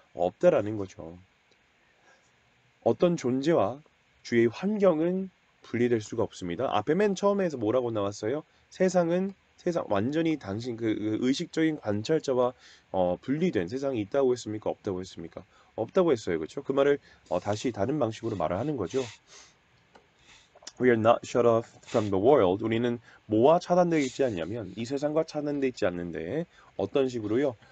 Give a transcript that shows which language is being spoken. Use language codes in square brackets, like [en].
[ko] 없다라는 거죠. 어떤 존재와 주의 환경은 분리될 수가 없습니다. 앞에 맨 처음에서 뭐라고 나왔어요? 세상, 완전히 당신 그 의식적인 관찰자와 분리된 세상이 있다고 했습니까? 없다고 했습니까? 없다고 했어요. 그렇죠? 그 말을 다시 다른 방식으로 말을 하는 거죠. [en] We are not shut off from the world. [ko] 우리는 뭐와 차단되어 있지 않냐면 이 세상과 차단되어 있지 않는데 어떤 식으로요?